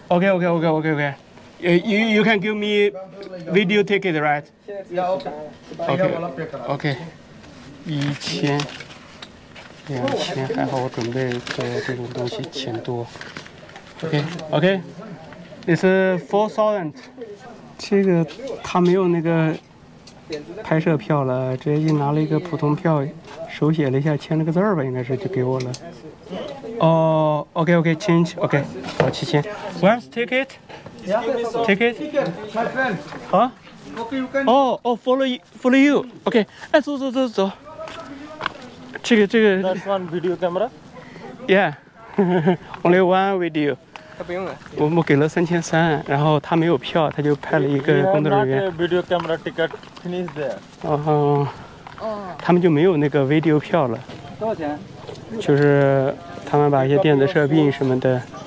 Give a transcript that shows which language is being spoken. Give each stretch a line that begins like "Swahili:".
English: Okay, okay, okay, okay, okay. You can give me video ticket, right? Yeah, okay. Okay.
Chinese: 1000, 2000, 还好我准备的这种东西钱多。
English: Okay, okay. This is 4000.
Chinese: 这个他没有那个拍摄票了，直接就拿了一个普通票，手写了一下，签了个字吧，应该是就给我了。
English: 哦、OK OK change OK 好7000 Where's ticket? Ticket? My friend. Huh? Okay, you can. Oh, follow you.
Chinese: OK， 哎，走走走走。这个
English: That's one video camera? Yeah. Only one video.
Chinese: 他不用了。我给了3300，然后他没有票，他就派了一个工作人员。 We have not a video camera ticket finished there. 他们就没有那个 video 票了。多少钱？就是他们把一些电子设备什么的。